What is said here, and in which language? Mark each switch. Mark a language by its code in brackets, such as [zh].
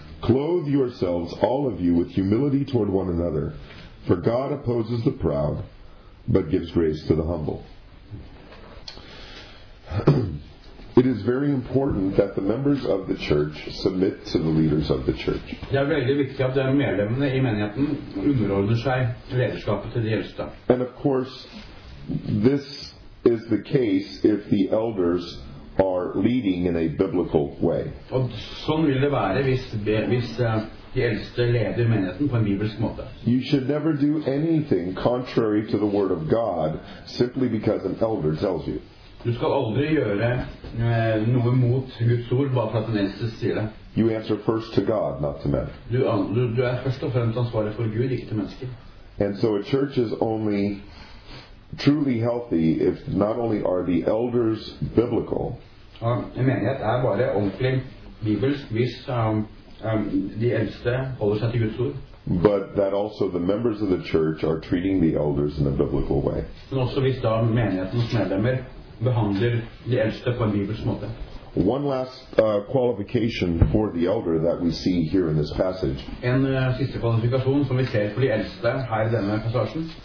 [en] Clothe yourselves, all of you, with humility toward one another. For God opposes the proud, but gives grace to the humble. It is very important that the members of the church submit to the leaders of the church. [no] Det er veldig viktig at medlemmene i menigheten underordner seg lederskapet til de eldste. [en] And of course, this is the case if the elders are leading in a biblical way. [no] Og sånn vil det være hvis de eldste leder menigheten på en bibelsk måte. [en] You should never do anything contrary to the word of God simply because an elder tells you. [no] Du skal aldri gjøre noe mot Guds ord bare for at den eneste sier det. [en] You answer first to God, not to men. [no] Du er først og fremst ansvarlig for Gud, ikke til mennesker. [en] And so a church is only truly healthy if not only are the elders biblical. [no] En menighet er bare ordentlig bibelsk hvis de eldste holder seg til Guds ord. [en] But that also the members of the church are treating the elders in a biblical way. [no] Men også hvis da menighetens medlemmer behandler de eldste på en bibelsk måte. [en] One last qualification for the elder that we see here in this passage. [no] En siste kvalifikasjon som vi ser for de eldste her i denne passasjen.